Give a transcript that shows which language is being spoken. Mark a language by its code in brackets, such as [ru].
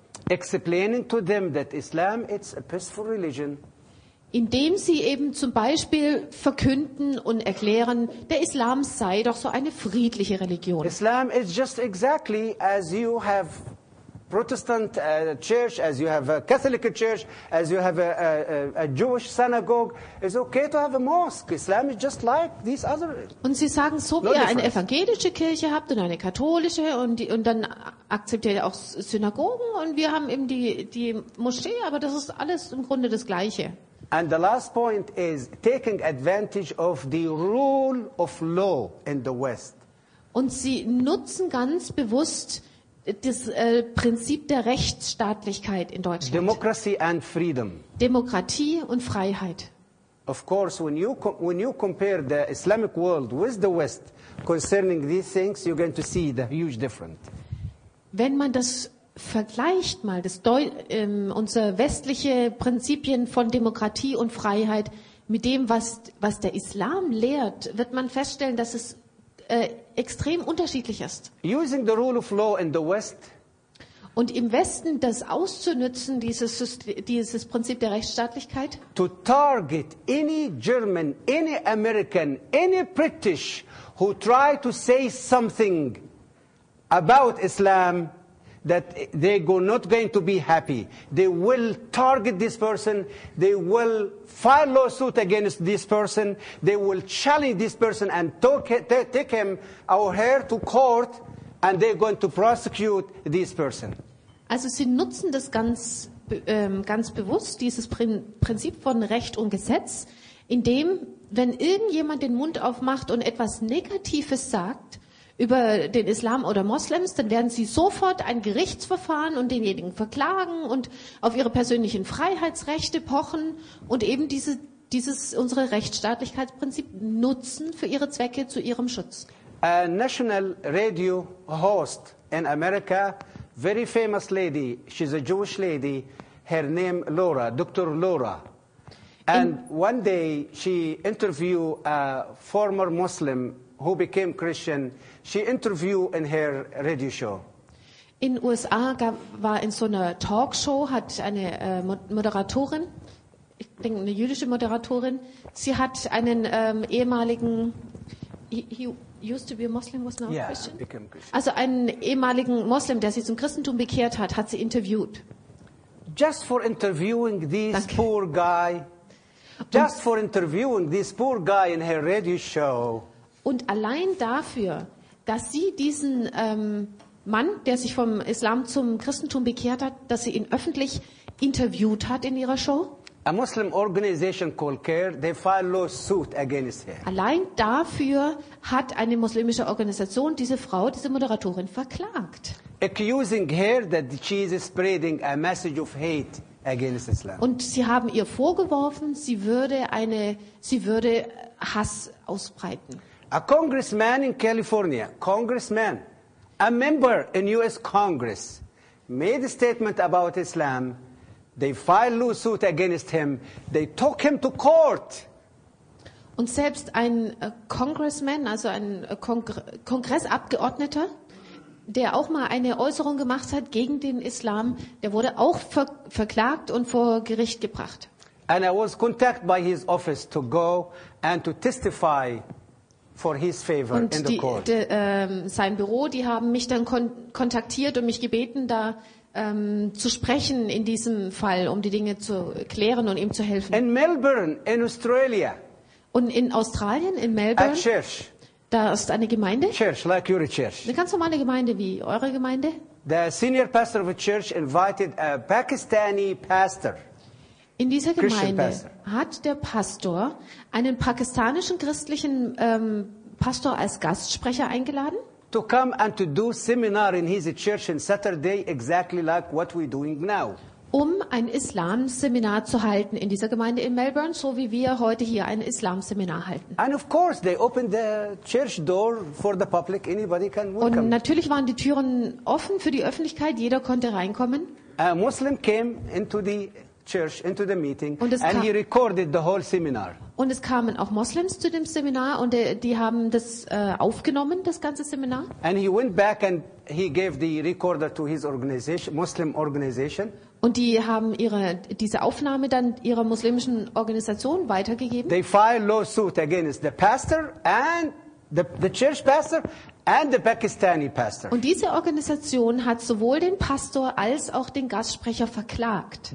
[en] Explaining to them that Islam is a peaceful religion. [de] Indem sie eben zum Beispiel verkünden und erklären, der Islam sei doch so eine friedliche Religion. [en] Islam is just exactly as you have Protestant church, as you have a Catholic church, as you have a Jewish synagogue, it's okay to have a mosque. Islam is just like these other. [de] Und sie sagen, so wie ihr eine evangelische Kirche habt und eine katholische und dann akzeptiert ihr auch Synagogen und wir haben eben die Moschee, aber das ist alles im Grunde das Gleiche. [en] And the last point is taking advantage of the rule of law in the West. [de] Und sie nutzen ganz bewusst das Prinzip der Rechtsstaatlichkeit in Deutschland. [en] Democracy and freedom. [de] Demokratie und Freiheit. [en] Of course, when you compare the Islamic world with the West concerning these things, you're going to see the huge difference. [de] Wenn man das vergleicht mal das unsere westliche Prinzipien von Demokratie und Freiheit mit dem, was der Islam lehrt, wird man feststellen, dass es extrem unterschiedlich ist. [en] Using the rule of law in the West, [de] und im Westen das auszunutzen, dieses Prinzip der Rechtsstaatlichkeit, [en] to target any German, any American, any British who try to say something about Islam, that they go not going to be happy. They will target this person. They will file lawsuit against this person. They will challenge this person and take him or her to court, and they're going to prosecute this person. [de] Also sie nutzen das ganz bewusst, dieses Prinzip von Recht und Gesetz, indem, wenn irgendjemand den Mund aufmacht und etwas Negatives sagt über den Islam oder Moslems, dann werden sie sofort ein Gerichtsverfahren und denjenigen verklagen und auf ihre persönlichen Freiheitsrechte pochen und eben unsere Rechtsstaatlichkeitsprinzip nutzen für ihre Zwecke zu ihrem Schutz. [en] A national radio host in America, very famous lady, she's a Jewish lady, her name Laura, Dr. Laura. And one day she interviewed a former Muslim who became Christian. She interviewed in her radio show. [de] In USA war in so einer Talkshow, hat eine Moderatorin, ich denke eine jüdische Moderatorin, sie hat einen ehemaligen, [en] he used to be a Muslim, was now yeah, Christian? Became Christian. [de] Also einen ehemaligen Muslim, der sie zum Christentum bekehrt hat, hat sie interviewt. [en] Just for interviewing this [de] Danke. [en] Poor guy, just for interviewing this poor guy in her radio show. [de] Und allein dafür, dass sie diesen Mann, der sich vom Islam zum Christentum bekehrt hat, dass sie ihn öffentlich interviewt hat in ihrer Show. [en] A Muslim organization called CARE, they filed lawsuit against her. [de] Allein dafür hat eine muslimische Organisation diese Frau, diese Moderatorin, verklagt. [en] Accusing her that she is spreading a message of hate against Islam. [de] Und sie haben ihr vorgeworfen, sie würde Hass ausbreiten. [en] A congressman in California, congressman, a member in U.S. Congress, made a statement about Islam. They filed lawsuit against him. They took him to court. [de] Und selbst ein Congressman, also ein Kongressabgeordneter, der auch mal eine Äußerung gemacht hat gegen den Islam, der wurde auch verklagt und vor Gericht gebracht. [en] And I was contacted by his office to go and to testify for his favor [de] und [en] in the court. [de] Sein Büro, die haben mich dann kontaktiert und mich gebeten, da zu sprechen in diesem Fall, um die Dinge zu klären und ihm zu helfen. [en] In Melbourne, in Australia. [de] Und in Australien, in Melbourne. [en] A church. [de] Da ist eine Gemeinde. [en] Church, like your church. [de] Eine ganz normale Gemeinde wie eure Gemeinde. [en] The senior pastor of a church invited a Pakistani pastor. [de] In dieser Gemeinde hat der Pastor einen pakistanischen christlichen Pastor als Gastsprecher eingeladen. [en] To come and to do seminar in his church on Saturday, exactly like what we're doing now. [de] Um ein Islam-Seminar zu halten in dieser Gemeinde in Melbourne, so wie wir heute hier ein Islam-Seminar halten. [en] And of course, they opened the church door for the public. Anybody can welcome. [de] Und natürlich waren die Türen offen für die Öffentlichkeit. Jeder konnte reinkommen. [en] A Muslim came into the church, into the meeting, [de] und [en] and he recorded the whole seminar. [de] Und es kamen auch Moslems zu dem Seminar und die haben das aufgenommen, das ganze Seminar. [en] And he went back and he gave the recorder to his organization, Muslim organization. [de] Und die haben diese Aufnahme dann ihrer muslimischen Organisation weitergegeben. [en] They filed lawsuit against the pastor and the church pastor and the Pakistani pastor. [de] Und diese Organisation hat sowohl den Pastor als auch den Gastsprecher verklagt.